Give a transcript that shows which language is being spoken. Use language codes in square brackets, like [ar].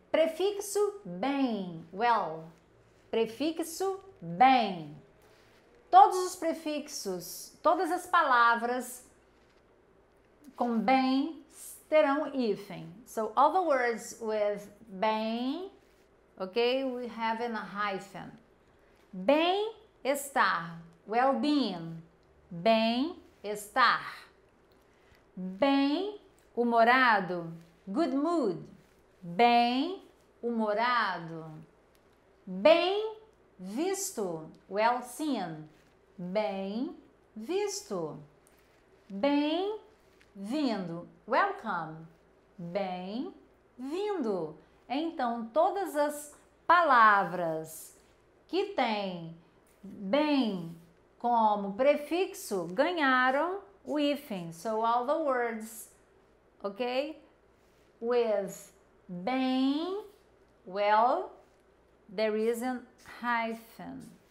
[pt] Prefixo bem, well, prefixo bem. Todos os prefixos, todas as palavras com bem terão hífen. [en] So all the words with bem, okay, we have in a hyphen. [pt] Bem estar, [en] well being, [pt] bem estar. Bem humorado, [en] good mood, [pt] bem humorado. Bem visto, [en] well seen, [pt] bem visto. Bem vindo, welcome, bem vindo. Então, todas as palavras que têm bem como prefixo ganharam o hífen. [en] So all the words, okay, with bem, well, there is a hyphen.